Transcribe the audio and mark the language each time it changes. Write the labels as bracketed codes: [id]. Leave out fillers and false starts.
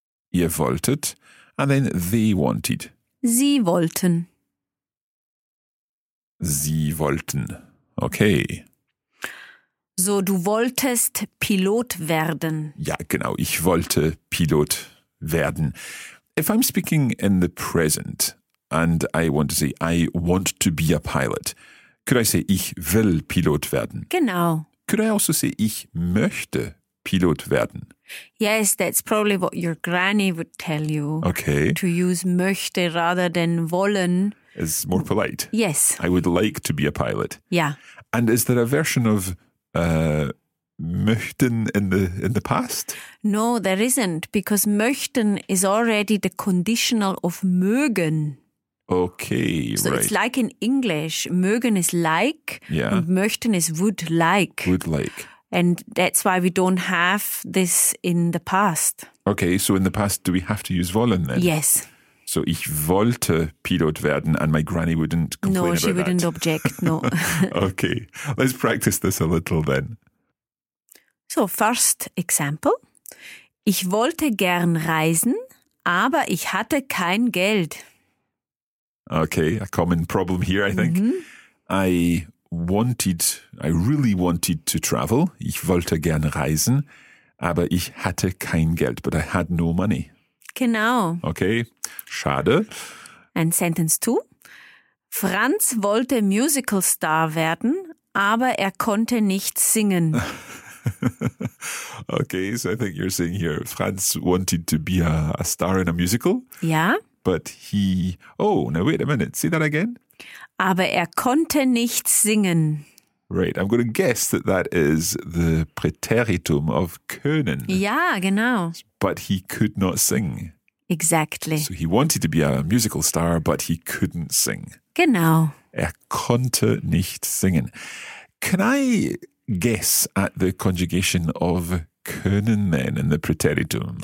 [de] Ihr wolltet. [en] And then they wanted. [de] Sie wollten. Sie wollten. Okay. So, du wolltest Pilot werden. Ja, genau. Ich wollte Pilot werden. [en] If I'm speaking in the present and I want to say, I want to be a pilot, could I say, [de] ich will Pilot werden? Genau. [en] Could I also say, [de] ich möchte Pilot werden? [en] Yes, that's probably what your granny would tell you. Okay. To use möchte rather than wollen. Is more polite. Yes. I would like to be a pilot. Yeah. And is there a version of möchten in the past? No, there isn't, because möchten is already the conditional of mögen. Okay, so right. So it's like in English, mögen is like, yeah, and möchten is would like. Would like. And that's why we don't have this in the past. Okay, so in the past, do we have to use wollen then? Yes. So [de] ich wollte Pilot werden [en] and my granny wouldn't complain about that. No, she wouldn't that. Object, no. Okay, let's practice this a little then. So, first example. [de] Ich wollte gern reisen, aber ich hatte kein Geld. [en] Okay, a common problem here, I think. Mm-hmm. I really wanted to travel. [de] Ich wollte gern reisen, aber ich hatte kein Geld, [en] but I had no money. [de] Genau. Okay, schade. [en] And sentence two. [de] Franz wollte Musical Star werden, aber er konnte nicht singen. [en] Okay, so I think you're saying here, Franz wanted to be a star in a musical. Yeah. But he, oh, now wait a minute, say that again. [de] Aber er konnte nicht singen. [en] Right, I'm going to guess that that is the preteritum of können. [de] Yeah, genau. [en] But he could not sing. Exactly. So he wanted to be a musical star, but he couldn't sing. [de] Genau. Er konnte nicht singen. [en] Can I guess at the conjugation of können then in the preteritum?